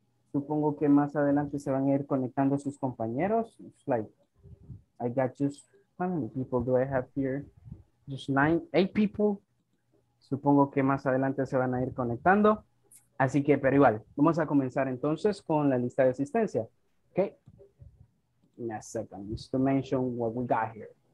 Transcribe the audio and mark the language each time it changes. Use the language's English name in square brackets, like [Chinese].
[Spanish] Supongo que más adelante se van a ir conectando sus compañeros. [English] It's like, I got just, how many people do I have here? Just 9, 8 people. [Spanish] Supongo que más adelante se van a ir conectando. Así que, pero igual, vamos a comenzar entonces con la lista de asistencia. Ok. [English] In a second, just to mention what we got here.